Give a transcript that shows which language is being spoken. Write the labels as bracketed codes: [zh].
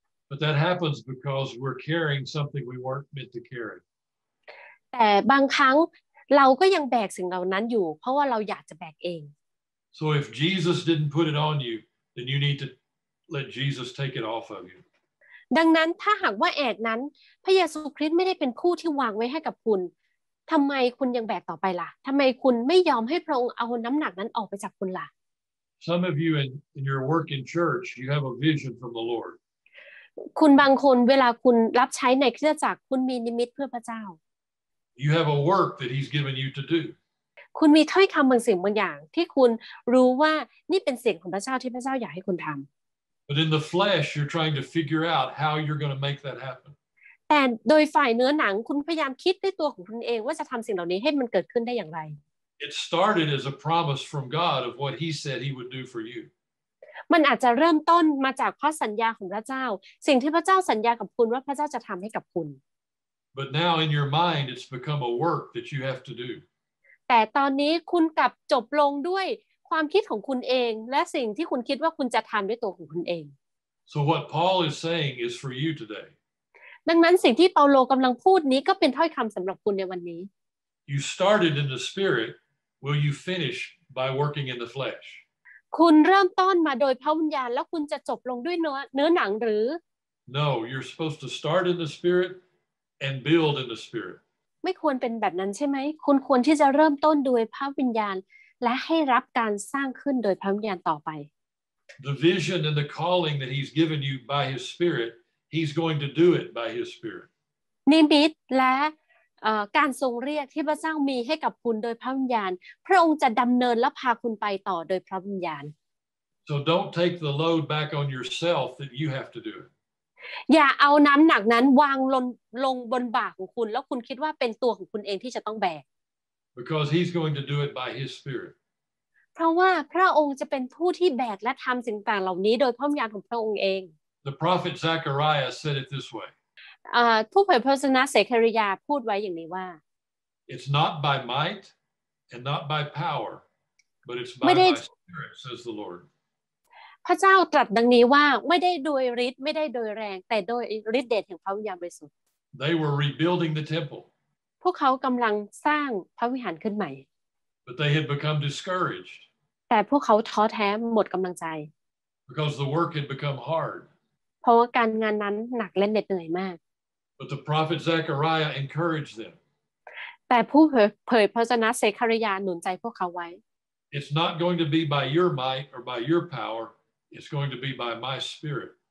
[en] But that happens because we're carrying something we weren't meant to carry. [th] แต่บางครั้งเราก็ยังแบกสิ่งเหล่านั้นอยู่เพราะว่าเราอยากจะแบกเอง [en] So if Jesus didn't put it on you, then you need to let Jesus take it off of you. [th] ดังนั้นถ้าหากว่าแอกนั้นพระเยซูคริสต์ไม่ได้เป็นผู้ที่วางไว้ให้กับคุณทำไมคุณยังแบกต่อไปล่ะทำไมคุณไม่ยอมให้พระองค์เอาน้ำหนักนั้นออกไปจากคุณล่ะ [en] Some of you in your work in church you have a vision from the Lord [th] คุณบางคนเวลาคุณรับใช้ในคริสตจักรคุณมีนิมิตเพื่อพระเจ้า [en] You have a work that he's given you to do [th] คุณมีถ้อยคำบางสิ่งบางอย่างที่คุณรู้ว่านี่เป็นสิ่งของพระเจ้าที่พระเจ้าอยากให้คุณทำ [en] But in the flesh you're trying to figure out how you're going to make that happen [th] แต่โดยฝ่ายเนื้อหนังคุณพยายามคิดด้วยตัวของคุณเองว่าจะทำสิ่งเหล่านี้ให้มันเกิดขึ้นได้อย่างไร [en] It started as a promise from God of what He said He would do for you. [th] มันอาจจะเริ่มต้นมาจากพระสัญญาของพระเจ้าสิ่งที่พระเจ้าสัญญากับคุณว่าพระเจ้าจะทำให้กับคุณ [en] But now in your mind it's become a work that you have to do. [th] แต่ตอนนี้คุณกลับจบลงด้วยความคิดของคุณเองและสิ่งที่คุณคิดว่าคุณจะทำด้วยตัวของคุณเอง [en] So what Paul is saying is for you today. [th] ดังนั้นสิ่งที่เปาโลกำลังพูดนี้ก็เป็นถ้อยคำสำหรับคุณในวันนี้ [en] You started in the spirit, will you finish by working in the flesh? [th] คุณเริ่มต้นมาโดยพระวิญญาณแล้วคุณจะจบลงด้วยเนื้อหนังหรือ [en] No, you're supposed to start in the spirit and build in the spirit. [th] ไม่ควรเป็นแบบนั้นใช่ไหมคุณควรที่จะเริ่มต้นโดยพระวิญญาณและให้รับการสร้างขึ้นโดยพระวิญญาณต่อไป [en] The vision and the calling that he's given you by his spirit, he's going to do it by his spirit. [th] นิมิตและการทรงเรียกที่พระเจ้ามีให้กับคุณโดยพระวิญญาณพระองค์จะดำเนินและพาคุณไปต่อโดยพระวิญญาณ [en] So don't take the load back on yourself that you have to do it. [th] อย่าเอาน้ำหนักนั้นวางลงบนบ่าของคุณแล้วคุณคิดว่าเป็นตัวของคุณเองที่จะต้องแบก [en] Because he's going to do it by his spirit [th] เพราะว่าพระองค์จะเป็นผู้ที่แบกและทำสิ่งต่างเหล่านี้โดยพระวิญญาณของพระองค์เอง [en] The prophet Zechariah said it this way [th] ผู้เผยพระชนะเซเคริยาพูดไว้อย่างนี้ว่า [en] It's not by might and not by power but it's by my spirit says the Lord [th] พระเจ้าตรัสดังนี้ว่าไม่ได้โดยฤทธิ์ไม่ได้โดยแรงแต่โดยฤทธิ์เดชแห่งพระวิญญาณบริสุทธิ์ [en] They were rebuilding the temple [th] พวกเขากำลังสร้างพระวิหารขึ้นใหม่ [en] But they had become discouraged [th] แต่พวกเขาท้อแท้หมดกำลังใจ [en] Because the work had become hard [th] เพราะว่าการงานนั้นหนักและเหน็ดเหนื่อยมาก [en] But the prophet Zechariah encouraged them [th] แต่ผู้เผยพระชนะเซคาริยาหนุนใจพวกเขาไว้ [en] It's not going to be by your might or by your powerIt's going to be by my spirit.